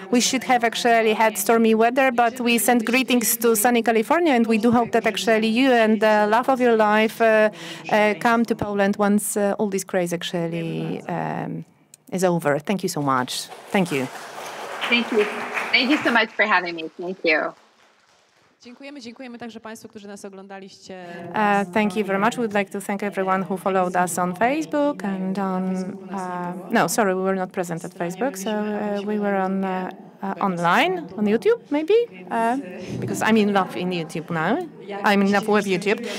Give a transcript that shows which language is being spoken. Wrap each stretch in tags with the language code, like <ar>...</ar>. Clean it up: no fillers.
<en>We should have actually had stormy weather, but we send greetings to sunny California, and we do hope that actually you and the love of your life come to Poland once all this craze actually is over. Thank you so much. Thank you. Thank you. Thank you so much for having me. Thank you.</en> <pl>Dziękujemy także Państwu, którzy nas oglądaliście.</pl> <en>Thank you very much. We'd like to thank everyone who followed us on Facebook and on... we were not present at Facebook, so we were on online, on YouTube, maybe? Because I'm in love in YouTube now. I'm in love with YouTube.</en>